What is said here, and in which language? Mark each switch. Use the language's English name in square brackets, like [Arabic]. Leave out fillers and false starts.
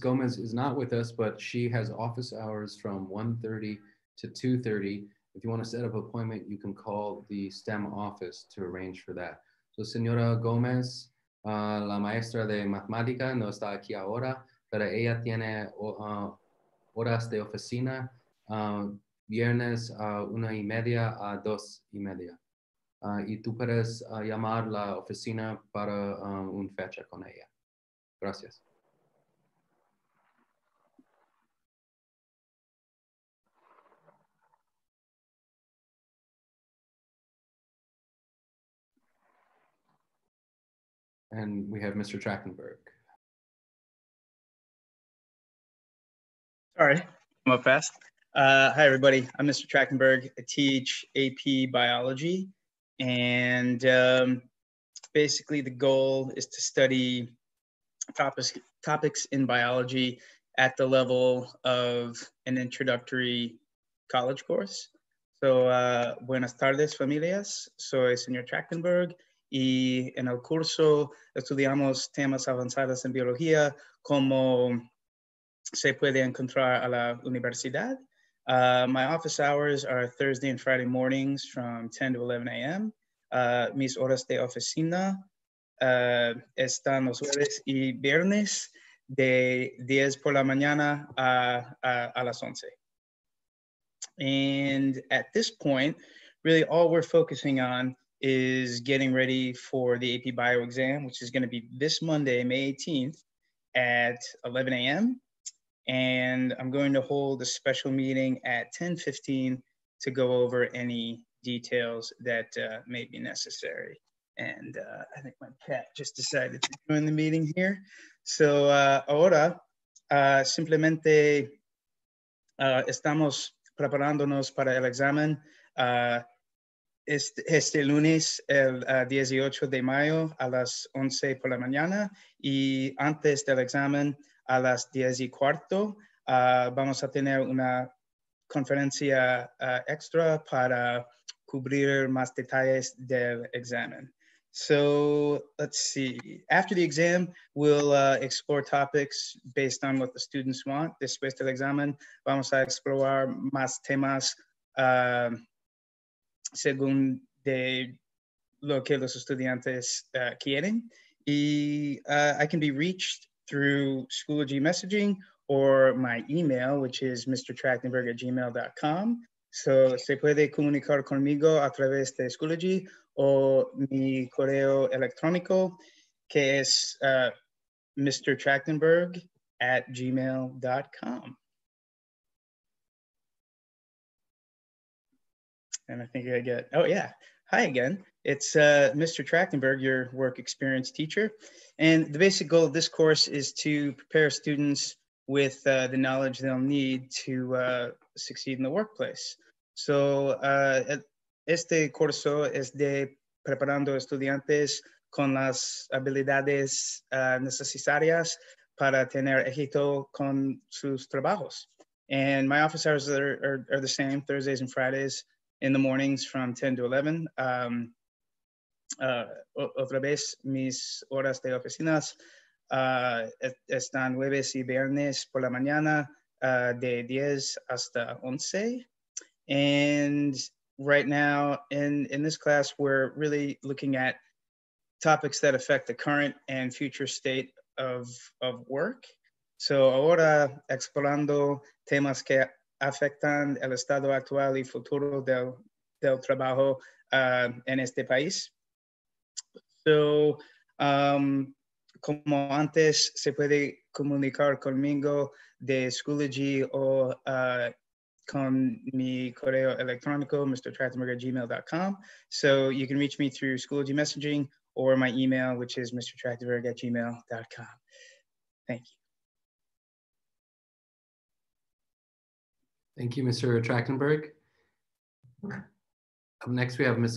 [English] Gomez is not with us, but she has office hours from 1:30 to 2:30. If you want to set up an appointment, you can call the STEM office to arrange for that. [Spanish] So Señora Gomez, la maestra de matemática, no está aquí ahora, pero ella tiene horas de oficina, viernes a 1:30 a 2:30. Y tú puedes llamar la oficina para un fecha con ella. Gracias. [English] And we have Mr. Trachtenberg. Sorry, I'm up fast. Hi, everybody. I'm Mr. Trachtenberg. I teach AP Biology. And basically the goal is to study topics in biology at the level of an introductory college course. [Spanish] So buenas tardes, familias. Soy señor Trachtenberg. Y en el curso estudiamos temas avanzados en biología, como se puede encontrar a la universidad. [English] My office hours are Thursday and Friday mornings from 10 to 11 a.m. [Spanish] Mis horas de oficina están los jueves y viernes de 10 por la mañana a las 11. [English] And at this point, really all we're focusing on is getting ready for the AP Bio exam, which is going to be this Monday, May 18th at 11 a.m. And I'm going to hold a special meeting at 10:15 to go over any details that may be necessary. And I think my cat just decided to join the meeting here. [Spanish] So ahora simplemente estamos preparándonos para el examen este lunes el 18 de mayo a las 11 por la mañana, y antes del examen a las 10:15 vamos a tener una conferencia extra para cubrir más detalles del examen. [English] So let's see, after the exam, we'll explore topics based on what the students want. [Spanish] Después del examen, vamos a explorar más temas según de lo que los estudiantes quieren. Y [English] I can be reached through Schoology messaging or my email, which is mrtrachtenberg@gmail.com. [Spanish] So se puede comunicar conmigo a través de Schoology o mi correo electrónico, que es mrtrachtenberg@gmail.com. [English] And I think I get, oh yeah, hi again. It's Mr. Trachtenberg, your work experience teacher. And the basic goal of this course is to prepare students with the knowledge they'll need to succeed in the workplace. [Spanish] So este curso es de preparando estudiantes con las habilidades necesarias para tener éxito con sus trabajos. [English] And my office hours are the same, Thursdays and Fridays in the mornings from 10 to 11. [Spanish] Otra vez, mis horas de oficinas están jueves y viernes por la mañana de 10 hasta 11. [English] And right now in this class, we're really looking at topics that affect the current and future state of work. [Spanish] So ahora explorando temas que afectan el estado actual y futuro del trabajo en este país. So, como antes, se puede comunicar conmigo de Schoology o con mi correo electrónico, mrtrachtenberg@gmail.com. [English] So you can reach me through Schoology messaging or my email, which is mrtrachtenberg@gmail.com. Thank you. Thank you, Mr. Trachtenberg. Up next, we have Ms.